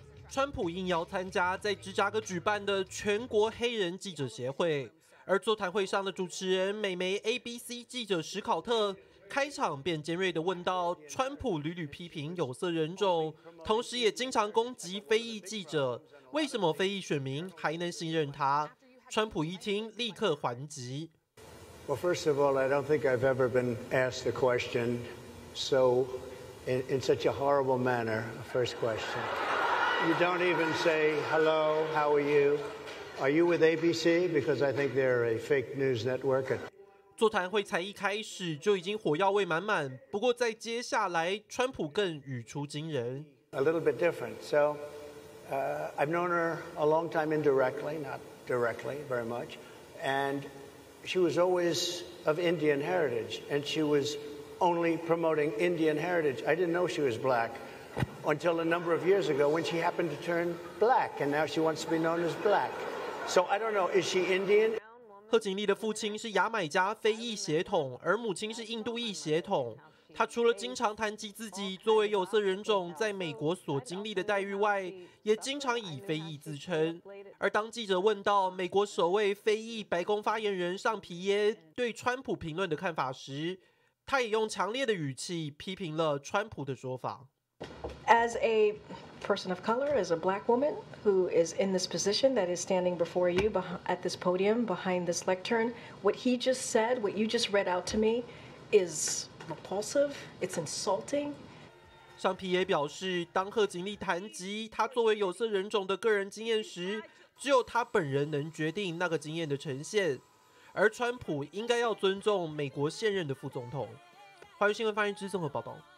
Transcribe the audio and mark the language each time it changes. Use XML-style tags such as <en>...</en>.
<zh>川普应邀参加在芝加哥举办的全国黑人记者协会，而座谈会上的主持人美媒 ABC 记者史考特开场便尖锐地问到，川普屡屡批评有色人种，同时也经常攻击非裔记者，为什么非裔选民还能信任他？川普一听立刻还击。</zh> <en>Well, first of all, I don't think I've ever been asked a question so in such a horrible manner. First question. You don't even say hello, how are you? Are you with ABC? Because I think they're a fake news network.</en> <zh>座谈会才一开始就已经火药味满满，不过在接下来，川普更语出惊人。</zh> <en>A little bit different. So, I've known her a long time indirectly, not directly very much, and she was always of Indian heritage, and she was only promoting Indian heritage. I didn't know she was black until a number of years ago when she happened to turn black, and now she wants to be known as black. So I don't know, is she Indian?</en> <zh>贺锦丽的父亲是牙买加非裔血统，而母亲是印度裔血统。她除了经常谈及自己作为有色人种在美国所经历的待遇外，也经常以非裔自称。而当记者问到美国首位非裔白宫发言人尚皮耶对川普评论的看法时，他也用强烈的语气批评了川普的说法。</zh> <en>As a person of color, as a black woman who is in this position that is standing before you at this podium behind this lectern, what he just said, what you just read out to me, is repulsive. It's insulting.</en> <zh>尚皮耶表示，当贺锦丽谈及他作为有色人种的个人经验时，只有他本人能决定那个经验的呈现，而川普应该要尊重美国现任的副总统。华语新闻发言之综合报道。</zh>